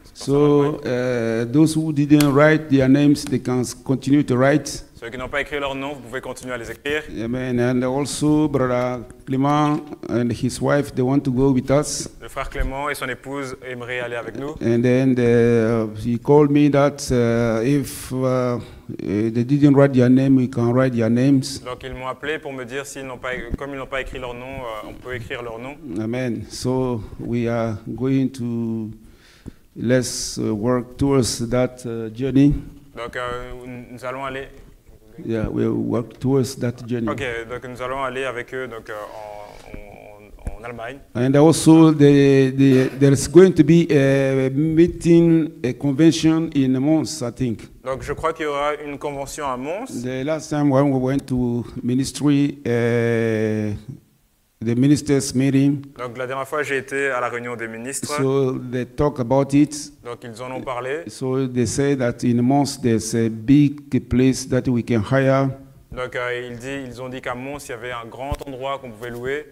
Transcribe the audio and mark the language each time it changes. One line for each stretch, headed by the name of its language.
English: So those who didn't write their names, they can continue to write.
French: Ceux qui n'ont pas écrit leur nom, vous pouvez continuer à les écrire. Amen.
English: And also, Brother Clément and his wife, they want to go with us.
French: Le frère Clément et son épouse aimeraient aller avec nous.
English: And then he called me that if they didn't write their name, we can write their names.
French: Donc ils m'ont appelé pour me dire s'ils n'ont pas, comme ils n'ont pas écrit leur nom, on peut écrire leur nom. Amen.
English: So we are going to let's work towards that journey.
French: Donc nous allons aller.
English: Yeah, we'll work towards that journey.
French: Okay, donc nous allons aller avec eux donc en Allemagne.
English: And also, there's going to be a meeting, a convention in Mons, I think.
French: Donc je crois qu'il y aura une convention à Mons.
English: The last time when we went to ministry, the ministers' meeting.
French: Donc la dernière fois j'ai été à la réunion des ministres.
English: So they talk about it.
French: Donc ils en ont parlé.
English: So they say that in Mons there's a big place that we can hire.
French: Donc ils ont dit qu'à Mons il y avait un grand endroit qu'on pouvait louer.